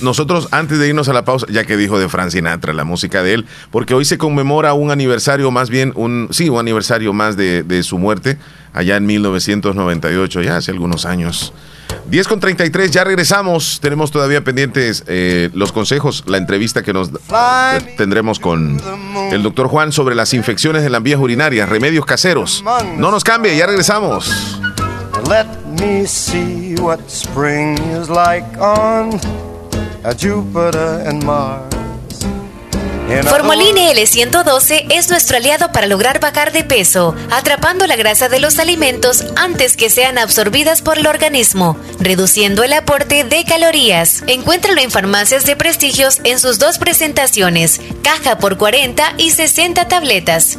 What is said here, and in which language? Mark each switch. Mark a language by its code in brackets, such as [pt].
[es] Nosotros, antes de irnos a la pausa, ya que dijo de Frank Sinatra, la música de él, porque hoy se conmemora un aniversario más bien, un aniversario más de su muerte, allá en 1998, ya hace algunos años. 10:33, ya regresamos. Tenemos todavía pendientes los consejos, la entrevista que nos tendremos con el doctor Juan sobre las infecciones en las vías urinarias, remedios caseros. No nos cambie, ya regresamos. [en] Let me see what spring is like on a Jupiter and Mars. [es] Formolín L112 es nuestro aliado para lograr bajar de peso, atrapando la grasa de los alimentos antes que sean absorbidas por el organismo, reduciendo el aporte de calorías. Encuéntralo en farmacias de prestigios en sus dos presentaciones, caja por 40 y 60 tabletas.